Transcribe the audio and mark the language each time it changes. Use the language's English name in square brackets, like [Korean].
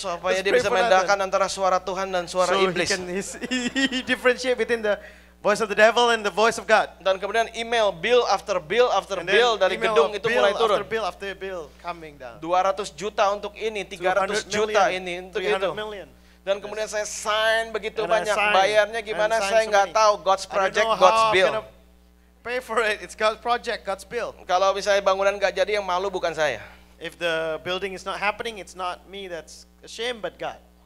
[Indonesian] supaya dia bisa membedakan antara suara Tuhan dan suara iblis. [English] So he differentiate between the voice of the devil and the voice of God. [Indonesian] Dan kemudian email [English] bill after bill after bill [Indonesian] dari gedung itu mulai turun. [English] After bill after bill coming down. [Indonesian] 200 juta untuk ini, 300 juta ini untuk itu. Dan kemudian saya sign begitu banyak, bayarnya gimana saya enggak tahu. [English] God's project, God's bill. Pay for it. It's God's project, God's bill. [Indonesian] Kalau misalnya bangunan enggak jadi yang malu bukan saya. [English] If the building is not happening, it's not me that's ashamed but God.